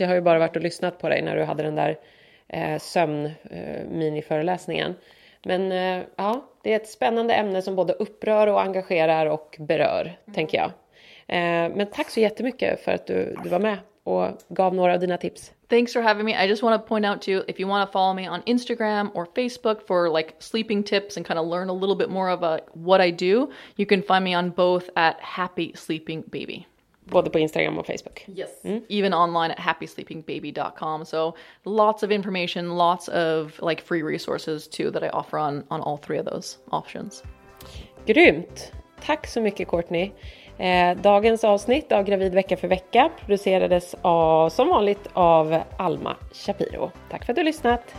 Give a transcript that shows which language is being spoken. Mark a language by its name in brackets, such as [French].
[Swedish] Jag har ju bara varit och lyssnat på dig när du hade den där sömn-miniföreläsningen. Men ja, det är ett spännande ämne som både upprör och engagerar och berör, tänker jag. Men tack så jättemycket för att du var med och gav några av dina tips. [English] Thanks for having me. I just want to point out too, if you want to follow me on Instagram or Facebook for like sleeping tips and kind of learn a little bit more of what I do, you can find me on both at Happy Sleeping Baby. [Swedish] Både på Instagram och Facebook. [English] Yes. Mm. Even online at happysleepingbaby.com. So lots of information, lots of like free resources too that I offer on all three of those options. [Swedish] Grymt. Tack så mycket, Courtney. Dagens avsnitt av Gravid vecka för vecka producerades av, som vanligt, av Alma Shapiro. Tack för att du har lyssnat.